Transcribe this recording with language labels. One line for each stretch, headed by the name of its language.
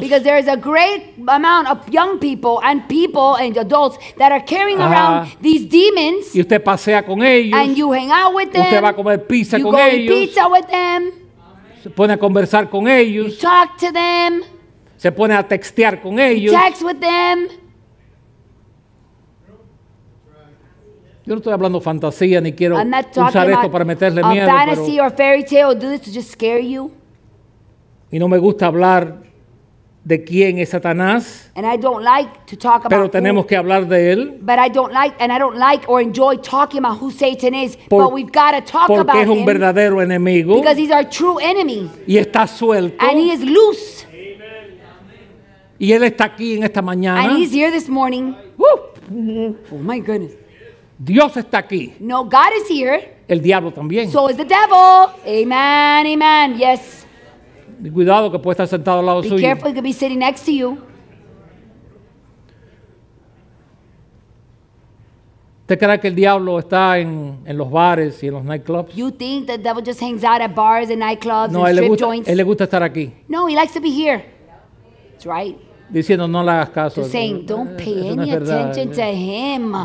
English: Because there is a great amount of young people and adults that are carrying around these demons.
Spanish: Y usted pasea con ellos.
English: And you hang out with them.
Spanish: Usted va a comer pizza
English: you
Spanish: con
English: go
Spanish: ellos.
English: Eat pizza with them.
Spanish: Se pone a conversar con ellos.
English: You talk to them.
Spanish: Se pone a textear con ellos.
English: You text with them.
Spanish: Yo no estoy hablando fantasía ni quiero usar esto para meterle a miedo.
English: A fantasy
Spanish: pero
English: or fairy tale, do this to just scare you.
Spanish: Y no me gusta hablar de quién es Satanás.
English: And I don't like to talk about.
Spanish: Pero tenemos
English: who,
Spanish: que hablar de él.
English: But I don't like, and I don't like or enjoy talking about who Satan is. Por, but we've got to talk about him.
Spanish: Porque es un verdadero enemigo.
English: Because he's our true enemy.
Spanish: Y está suelto.
English: And he is loose.
Spanish: Y él está aquí en esta mañana.
English: And he's here this morning. Oh my goodness.
Spanish: Dios está aquí.
English: No, God is here.
Spanish: El diablo también.
English: So is the devil. Amen, amen. Yes.
Spanish: Cuidado que puede estar sentado al lado
English: be
Spanish: suyo.
English: Be careful, he could be sitting next to you.
Spanish: ¿Usted cree que el diablo está en los bares y en los nightclubs?
English: You think the devil just hangs out at bars and nightclubs
Spanish: no,
English: and strip
Spanish: gusta,
English: joints?
Spanish: No, él le gusta estar aquí.
English: No, he likes to be here. That's right.
Spanish: Diciendo no le hagas caso.
English: Just saying, don't pay any attention to him.